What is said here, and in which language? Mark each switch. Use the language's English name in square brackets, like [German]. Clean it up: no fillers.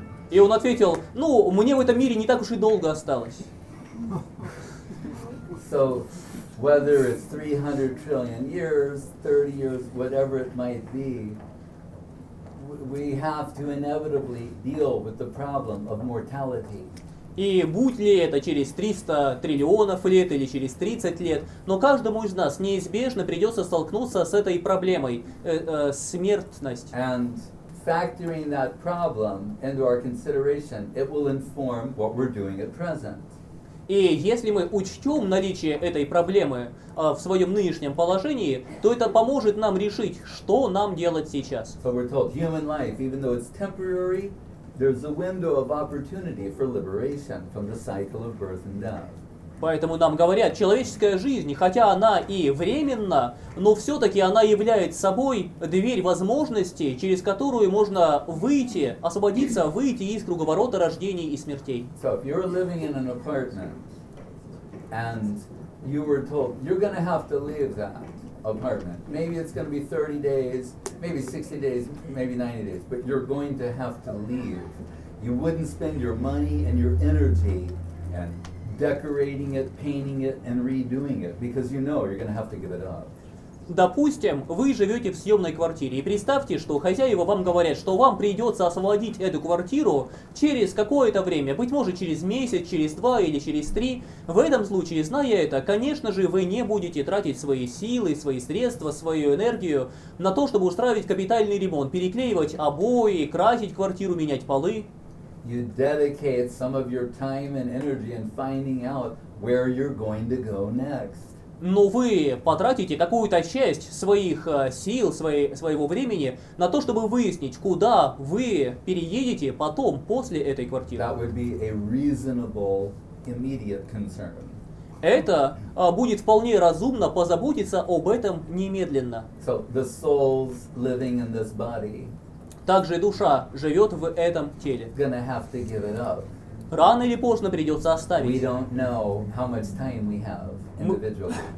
[Russian] И он ответил, ну, мне в этом мире не так уж и долго осталось. [English] So, whether it's 300 trillion years, 30 years, whatever it might be, we have to inevitably deal with the problem of mortality. [Russian] И будь ли это через 300 триллионов лет или через 30 лет, но каждому из нас неизбежно придется столкнуться с этой проблемой, смертность. [English] And factoring that problem into our consideration, it will inform what we're doing at present. [Russian] И если мы учтем наличие этой проблемы в своем нынешнем положении, то это поможет нам решить, что нам делать сейчас. [English] So we're told human life, even though it's temporary, there's a window of opportunity for liberation from the cycle of birth and death. [Russian] Поэтому нам говорят, человеческая жизнь, хотя она и временна, но все-таки она является собой дверь возможностей, через которую можно выйти, освободиться, выйти из круговорота рождений и смертей. [English] So if you're living in an apartment, and you were told, you're going to have to leave that apartment. Maybe it's going to be 30 days, maybe 60 days, maybe 90 days, but you're going to have to leave. You wouldn't spend your money and your energy and decorating it, painting it, and redoing it, because you know you're going to have to give it up. [Russian] Допустим, вы живете в съемной квартире, и представьте, что хозяева вам говорят, что вам придется освободить эту квартиру через какое-то время, быть может, через месяц, через два или через три. В этом случае, зная это, конечно же, вы не будете тратить свои силы, свои средства, свою энергию на то, чтобы устраивать капитальный ремонт, переклеивать обои, красить квартиру, менять полы. [English] You dedicate some of your time and energy in finding out where you're going to go next. [Russian] Но вы потратите какую-то часть своих сил, своего времени на то, чтобы выяснить, куда вы переедете потом, после этой квартиры. [English] That would be a reasonable immediate concern. [Russian] Это будет вполне разумно позаботиться об этом немедленно. [English] So the soul's living in this body. [Russian] Также душа живет в этом теле. [English] Gonna have to give it up. [Russian] Рано или поздно придется оставить. [English] We don't know how much time we have individually.